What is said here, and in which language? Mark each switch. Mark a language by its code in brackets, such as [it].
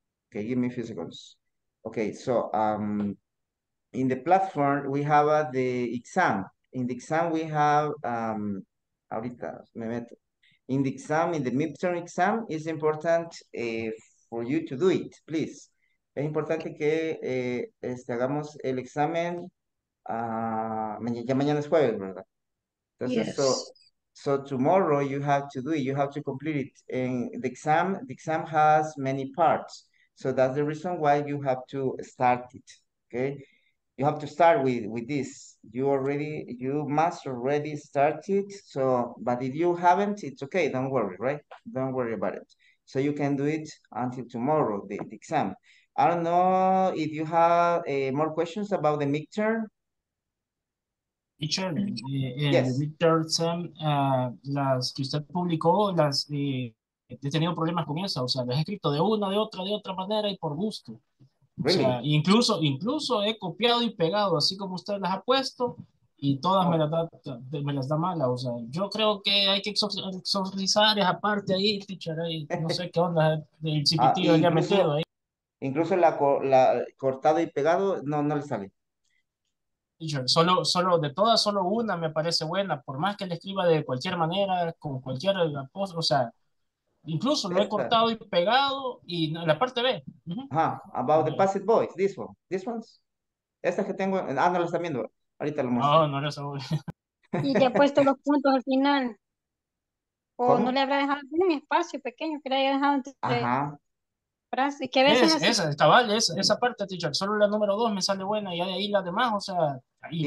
[en] Okay, give me a few seconds. Okay, so in the platform, we have the exam. In the exam, we have, [es] ahorita me meto. [en] In the exam, in the midterm exam, it's important for you to do it, please. [es] Es importante que hagamos el examen, ya mañana es jueves, ¿verdad? Entonces, yes. [en] So tomorrow you have to do it, you have to complete it. And the exam has many parts. So that's the reason why you have to start it, okay? You have to start with this. You must already start it. So, but if you haven't, it's okay, don't worry, right? Don't worry about it. So you can do it until tomorrow, the exam. I don't know if you have more questions about the midterm. Teacher, yes. [es] Midterm, las que usted publicó, las he tenido problemas con eso, o sea, las he escrito de una, de otra manera y por gusto. [en] Really? [es] O sea, incluso he copiado y pegado, así como usted las ha puesto, y todas me las da mala. O sea, yo creo que hay que exorcizar esa parte ahí, teacher, ahí, no sé qué onda el CPT ya metido ahí. Incluso la cortado y pegado no le sale. Solo de todas, solo una me parece buena, por más que le escriba de cualquier manera, con cualquier post, o sea, incluso lo he cortado y pegado, y la parte B. Uh-huh. [en] Ajá, about the passive voice, this one, this one. [es] Esta que tengo, no la está viendo, ahorita lo muestro. No la sabía. Y ya ha puesto los puntos al final. O ¿cómo? No le habrá dejado un espacio pequeño que le haya dejado antes de... Ajá. Que a veces esa parte, teacher, solo la número 2 me sale buena y ahí la demás, o sea, incluso